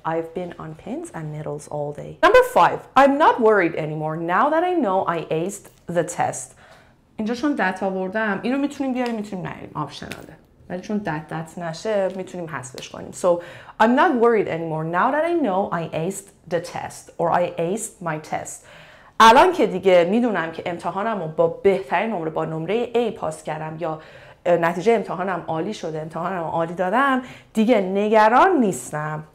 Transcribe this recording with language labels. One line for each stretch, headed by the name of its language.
English: I've been on pins and needles all day. Number 5. I'm not worried anymore now that I know I aced the test.
Persian: اینجا چون that آوردم، اینو میتونیم بیاریم، میتونیم نیاریم. آپشناله. ولی چون that نشه، میتونیم حذفش کنیم.
English: So, I'm not worried anymore now that I know I aced the test or I aced my test.
Persian: الان که دیگه میدونم که امتحانمو با بهترین نمره، با نمره A پاس کردم یا نتیجه امتحانم عالی شده، امتحانم عالی دادم، دیگه نگران نیستم.